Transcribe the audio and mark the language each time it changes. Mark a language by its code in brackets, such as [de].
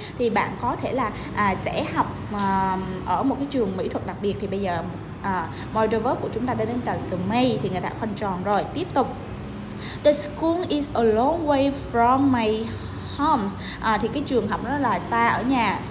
[vi] Thì bạn có thể là sẽ học ở một cái trường mỹ thuật đặc biệt. Thì bây giờ modal verb của chúng ta đến từ may, thì người ta khoanh tròn rồi. Tiếp tục, [en] the school is a long way from my home. [vi] Thì cái trường học nó là xa ở nhà.